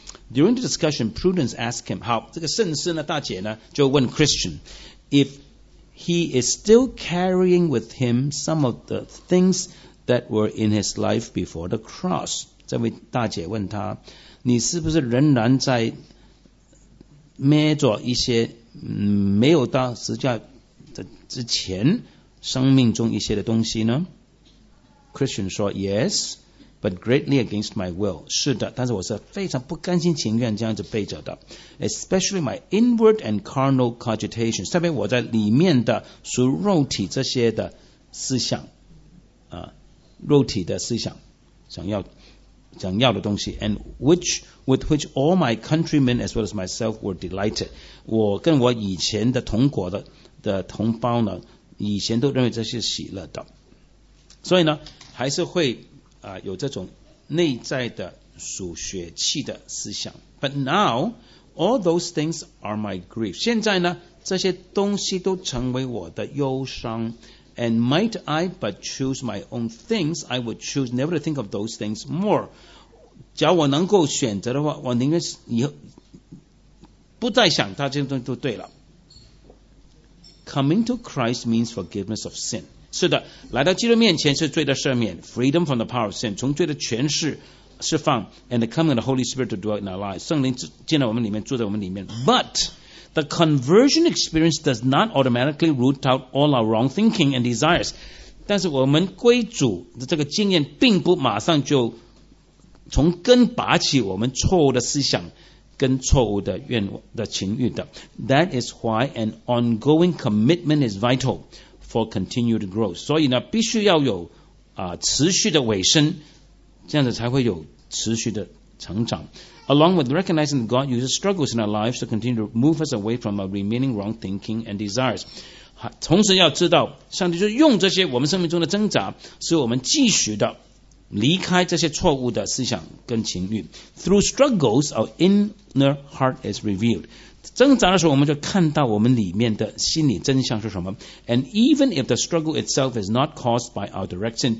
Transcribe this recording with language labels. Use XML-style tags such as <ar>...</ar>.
<en>During the discussion Prudence asked him，</en> <zh>好这个慎思呢大姐呢就问</zh> <en>Christian IfHe is still carrying with him some of the things that were in his life before the cross.</en> <zh>这位大姐问他，你是不是仍然在孭着一些、没有到十字架之前生命中一些的东西呢？</zh> <en>Christian 说 Yes, but greatly against my will.</en> <zh>是的，但是我是非常不甘心情愿这样子背着的。</zh> <en>Especially my inward and carnal cogitations，</en> <zh>特别我在里面的属肉体这些的思想、肉体的思想想要的东西。</zh> <en>And with which all my countrymen as well as myself were delighted，</en> <zh>我跟我以前的同国 的同胞呢以前都认为这是喜乐的。所以呢还是会、有这种内在的属血气的思想。</zh> <en>But nowAll those things are my grief.</en> <zh>现在呢，这些东西都成为我的忧伤。</zh> <en>And might I but choose my own things, I would choose never to think of those things more.</en> <zh>只要我能够选择的话，我宁愿以后不再想到这些东西就对了。</zh> <en>Coming to Christ means forgiveness of sin.</en> <zh>是的，来到基督面前是罪的赦免，</zh> <en>freedom from the power of sin，</en> <zh>从罪的权势释放，</zh> <en>and the coming of the Holy Spirit to dwell in our lives，</en> <zh>圣灵进到我们里面，住在我们里面。</zh> <en>But the conversion experience does not automatically root out all our wrong thinking and desires。</en> <zh>但是我们归主的这个经验并不马上就从根拔起我们错误的思想跟错误的愿的情欲的。</zh> <en>That is why an ongoing commitment is vital for continued growth.</en> <zh>所以呢，必须要有持续的尾声，这样子才会有持续的成长。</zh> <en>Along with recognizing that God uses struggles in our lives to continue to move us away from our remaining wrong thinking and desires.</en> <zh>同时要知道，上帝就用这些我们生命中的挣扎，使我们继续的离开这些错误的思想跟情欲。</zh> <en>Through struggles, our inner heart is revealed.</en> <zh>挣扎的时候，我们就看到我们里面的心理真相是什么。</zh> <en>And even if the struggle itself is not caused by our direct sin,</en>